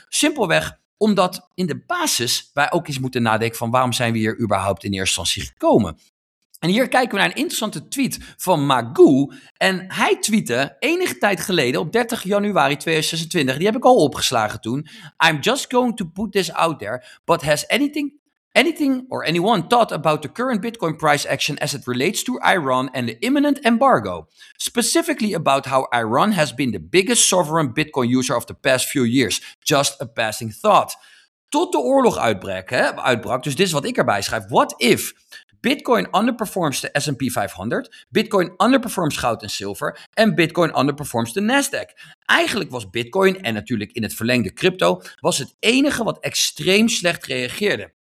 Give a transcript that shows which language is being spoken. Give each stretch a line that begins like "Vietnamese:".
Dutch: Simpelweg omdat in de basis wij ook eens moeten nadenken van waarom zijn we hier überhaupt in eerste instantie gekomen. En hier kijken we naar een interessante tweet van Magoo. En hij tweette enige tijd geleden op 30 januari 2026. Die heb ik al opgeslagen toen.
English: I'm just going to put this out there. But has anything or anyone thought about the current Bitcoin price action as it relates to Iran and the imminent embargo? Specifically about how Iran has been the biggest sovereign Bitcoin user of the past few years. Just a passing thought.
Dutch: Tot de oorlog uitbrak. Dus dit is wat ik erbij schrijf.
English: What if Bitcoin underperforms
Dutch: de S&P 500, Bitcoin underperforms goud en zilver en Bitcoin underperforms de Nasdaq. Eigenlijk was Bitcoin, en natuurlijk in het verlengde crypto, was het enige wat extreem slecht reageerde.